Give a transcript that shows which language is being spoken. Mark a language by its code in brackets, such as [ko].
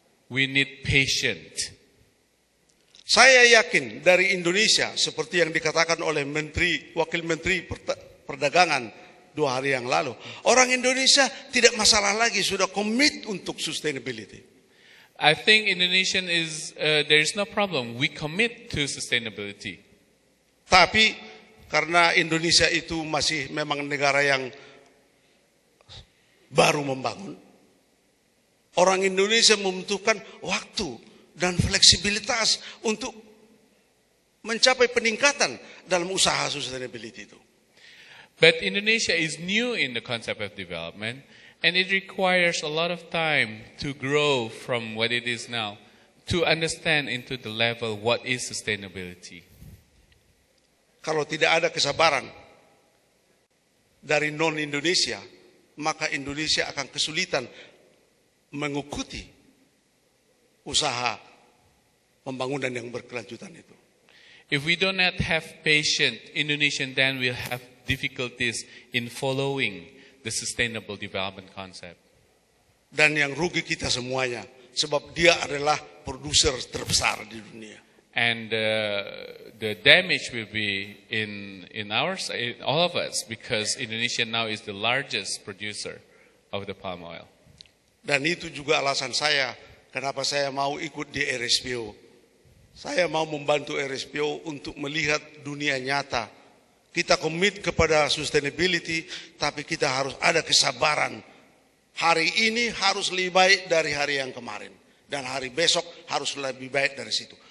[en] We need patience. [id] Saya yakin dari Indonesia, seperti yang dikatakan oleh Menteri, Wakil Menteri Perdagangan, 2 hari yang lalu, orang Indonesia tidak masalah lagi, sudah commit untuk sustainability. [en] I think Indonesian is there is no problem, we commit to sustainability. [id] Tapi karena Indonesia itu masih memang negara yang baru membangun, orang Indonesia membutuhkan waktu dan fleksibilitas untuk mencapai peningkatan dalam usaha sustainability itu. [en] But Indonesia is new in the concept of development, and it requires a lot of time to grow from what it is now to understand into the level what is sustainability. [id] kalau tidak ada kesabaran dari non-Indonesia, maka Indonesia akan kesulitan mengikuti usaha pembangunan yang berkelanjutan itu. [en] If we do not have patience, Indonesian then will have difficulties in following the sustainable development concept. [id] Dan yang rugi kita semuanya, sebab dia adalah produser terbesar di dunia. [en] And the damage will be in all of us, because Indonesia now is the largest producer of the palm oil. [id] Dan itu juga alasan saya kenapa saya mau ikut di RSPO. Saya mau membantu RSPO untuk melihat dunia nyata. Kita komit kepada sustainability, tapi kita harus ada kesabaran. Hari ini harus lebih baik dari hari yang kemarin, dan hari besok harus lebih baik dari situ.